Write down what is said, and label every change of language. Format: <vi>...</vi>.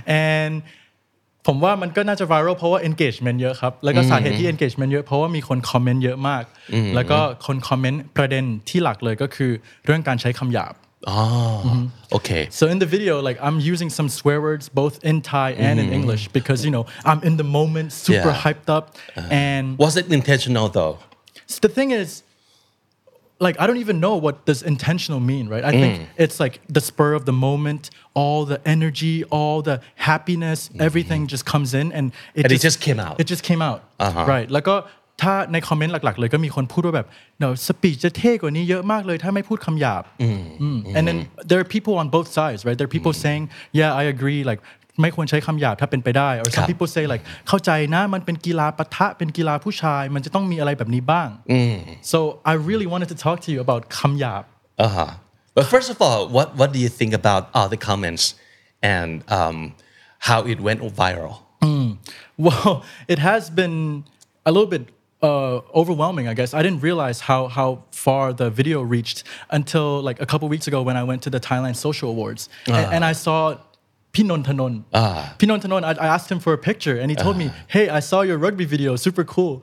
<th>and ผมว่ามันก็น่าจะ viral เพราะว่า engagement เยอะครับแล้วก็สาเหตุที่ engagement เยอะเพราะว่ามีคน comment เยอะมากแล้วก็คน comment ประเด็นที่หลักเลยก็คือเรื่องการใช้คำหยาบ</th> <en>Okay. So in the video, like I'm using some swear words both in Thai and in English because you know I'm in the moment, super hyped up. And was it intentional though? So the thing is. Like, I don't even know what does intentional mean, right? I think it's like the spur of the moment, all the energy, all the happiness, everything just comes in and it just came out. It just came out. Right.</en> <th>ถ้าในคอมเมนต์หลักๆเลยก็มีคนพูดว่าแบบ</th> <en>no speech</en> <th>จะเท่กว่านี้เยอะมากเลยถ้าไม่พูดคำหยาบ</th> <en>and then there are people on both sides right there are people saying yeah I agree like</en> <th>ไม่ควรใช้คำหยาบถ้าเป็นไปได้</th> <en>or some people say like</en> <th>เข้าใจนะมันเป็นกีฬาปะทะเป็นกีฬาผู้ชายมันจะต้องมีอะไรแบบนี้บ้าง</th> <en>so I really wanted to talk to you about คำหยาบ But first of all what do you think about all the comments and how it went viral Well it has been a little bit overwhelming I guess I didn't realize how far the video reached until like a couple weeks ago when I went to the Thailand Social Awards and I saw Pinon Thanon I asked him for a picture and he told me hey I saw your rugby video super cool</en>